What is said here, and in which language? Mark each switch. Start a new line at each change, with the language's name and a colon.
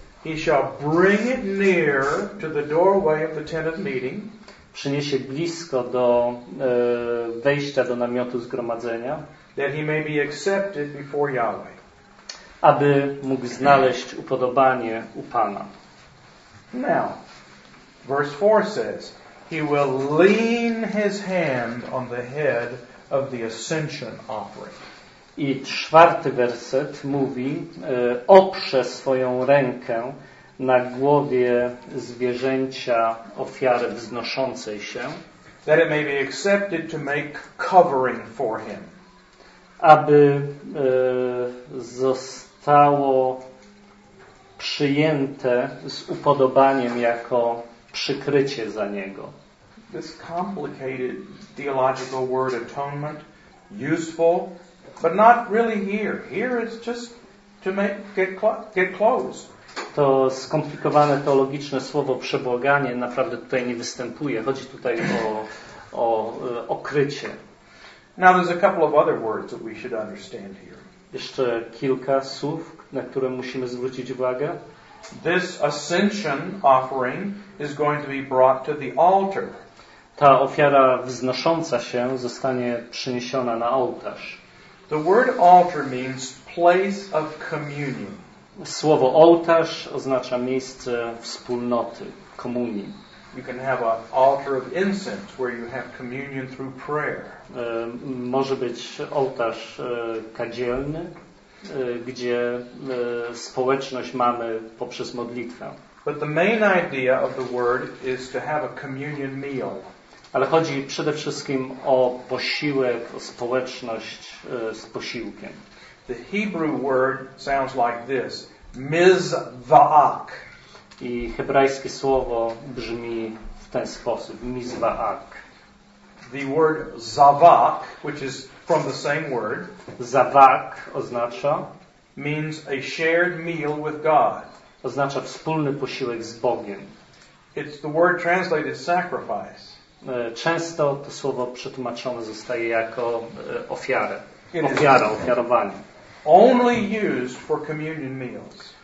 English: He shall bring it near to the doorway of the tent of meeting.
Polish: Przyniesie blisko do wejścia do namiotu zgromadzenia.
English: That he may be accepted before Yahweh.
Polish: Aby mógł znaleźć upodobanie u Pana.
English: Now, verse 4 says, he will lean his hand on the head of the ascension offering.
Polish: I czwarty werset mówi, oprze swoją rękę na głowie zwierzęcia ofiary wznoszącej się.
English: That it may be accepted to make covering for him.
Polish: Aby zostało przyjęte z upodobaniem jako przykrycie za niego.
English: This complicated theological word atonement, useful. But not really here. Here it's just to make get close.
Polish: To skomplikowane teologiczne słowo przebłaganie naprawdę tutaj nie występuje. Chodzi tutaj o okrycie.
English: Now there's a couple of other words that we should understand here.
Polish: Jeszcze kilka słów, na które musimy zwrócić uwagę.
English: This ascension offering is going to be brought to the altar.
Polish: Ta ofiara wznosząca się zostanie przyniesiona na ołtarz.
English: The word altar means place of communion.
Polish: Słowo ołtarz oznacza miejsce wspólnoty, komunii.
English: You can have an altar of incense where you have communion through prayer.
Polish: Może być ołtarz kadzielny, gdzie społeczność mamy poprzez modlitwę.
English: But the main idea of the word is to have a communion meal.
Polish: Ale chodzi przede wszystkim o posiłek, o społeczność z posiłkiem.
English: The Hebrew word sounds like this: mizvaak.
Polish: I hebrajskie słowo brzmi w ten sposób: mizvaak.
English: The word zavak, which is from the same word,
Polish: zavak oznacza
English: means a shared meal with God.
Polish: Oznacza wspólny posiłek z Bogiem.
English: It's the word translated sacrifice.
Polish: Często to słowo przetłumaczone zostaje jako ofiarę, ofiara, ofiarowanie.
English: Only used for communion meals.